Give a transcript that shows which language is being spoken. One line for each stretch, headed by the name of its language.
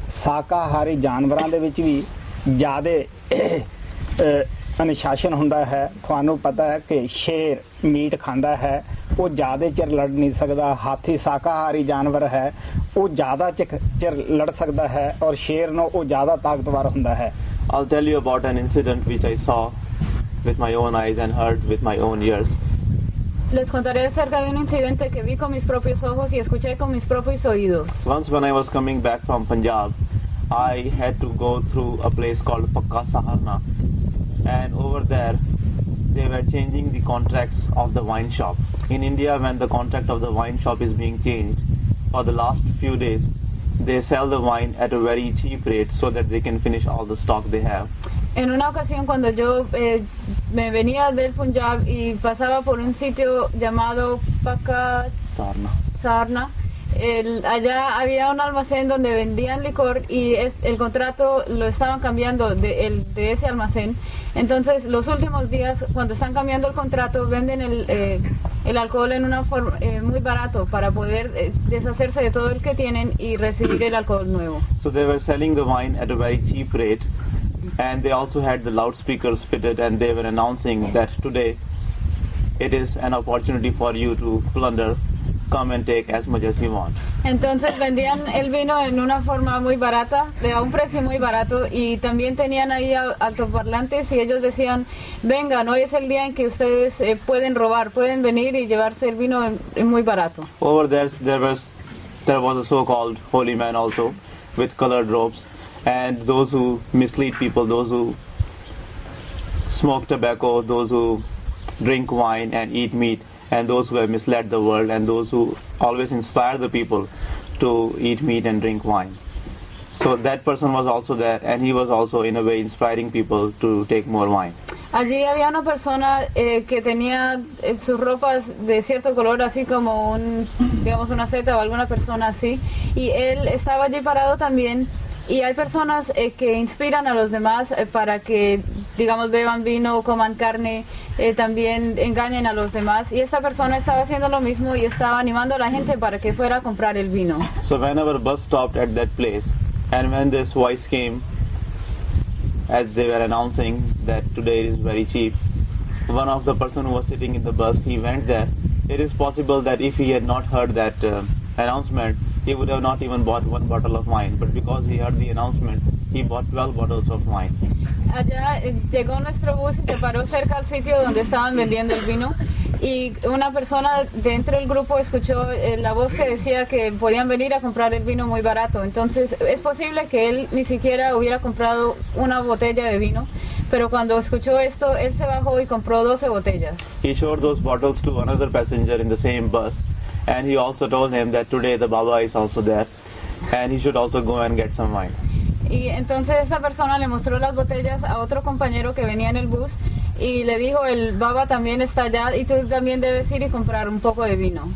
Punjabi: ਸ਼ਾਕਾਹਾਰੀ ਜਾਨਵਰਾਂ ਦੇ ਵਿੱਚ ਵੀ ਜ਼ਿਆਦਾ ਅਨੁਸ਼ਾਸਨ ਹੁੰਦਾ ਹੈ। ਤੁਹਾਨੂੰ ਪਤਾ ਹੈ ਕਿ ਸ਼ੇਰ ਮੀਟ ਖਾਂਦਾ ਹੈ, ਉਹ ਜ਼ਿਆਦਾ ਚਿਰ ਲੜ ਨਹੀਂ ਸਕਦਾ। ਹਾਥੀ ਸ਼ਾਕਾਹਾਰੀ ਜਾਨਵਰ ਹੈ, ਉਹ ਜ਼ਿਆਦਾ ਚਿਰ ਲੜ ਸਕਦਾ ਹੈ ਔਰ ਸ਼ੇਰ ਨੂੰ ਉਹ ਜ਼ਿਆਦਾ ਤਾਕਤਵਰ ਹੁੰਦਾ ਹੈ।
English: I'll tell you about an incident which I saw with my own eyes and heard with my own ears.
Spanish: Les contaré acerca de un incidente que vi con mis propios ojos y escuché con mis propios oídos.
English: Once when I was coming back from Punjab, I had to go through a place called Pakka Saharna, and over there they were changing the contracts of the wine shop. In India, when the contract of the wine shop is being changed, for the last few days they sell the wine at a very cheap rate so that they can finish all the stock they have.
Spanish: En una ocasión cuando yo me venía del Punjab y pasaba por un sitio llamado Pakka Saharna, allá había un almacén donde vendían licor y el contrato lo estaban cambiando de ese almacén. Entonces, los últimos días cuando están cambiando el contrato venden el alcohol en una forma muy barato para poder deshacerse de todo el que tienen y recibir el alcohol nuevo.
English: So they were selling the wine at a very cheap rate, and they also had the loudspeakers fitted, and they were announcing that today it is an opportunity for you to plunder, come and take as much as you want.
Spanish: Entonces vendían el vino en una forma muy barata, de a un precio muy barato, y también tenían ahí altoparlantes y ellos decían, vengan, hoy es el día en que ustedes pueden robar, pueden venir y llevarse el vino muy barato.
English: Over there there was a so-called holy man also with colored robes, and those who mislead people, those who smoke tobacco, those who drink wine and eat meat, and those who have misled the world, and those who always inspire the people to eat meat and drink wine. So that person was also there, and he was also in a way inspiring people to take more wine.
Spanish: Allí había una persona que tenía sus ropas de cierto color, así como un, digamos, una seta o alguna persona así, y él estaba allí parado también, y hay personas que inspiran a los demás para que, digamos, beban vino, coman carne, también engañen a los demás. Y esta persona estaba haciendo lo mismo y estaba animando a la gente para que fuera a comprar el vino.
English: So when our bus stopped at that place, and when this voice came, as they were announcing that today is very cheap, one of the person who was sitting in the bus, he went there. It is possible that if he had not heard that announcement, he would have not even bought one bottle of wine. But because he heard the announcement, he bought 12 bottles of wine.
Spanish: allá llegó nuestro bus y se paró cerca al sitio donde estaban vendiendo el vino, y una persona dentro del grupo escuchó la voz que decía que podían venir a comprar el vino muy barato. Entonces es posible que él ni siquiera hubiera comprado una botella de vino, pero cuando escuchó esto, él se bajó y compró 12 botellas.
English: He showed those bottles to another passenger in the same bus, and he also told him that today the Baba is also there, and he should also go and get some wine.
Spanish: Y entonces esta persona le mostró las botellas a otro compañero que venía en el bus, y le dijo, el Baba también está allá, y tú también debes ir y comprar un poco de vino.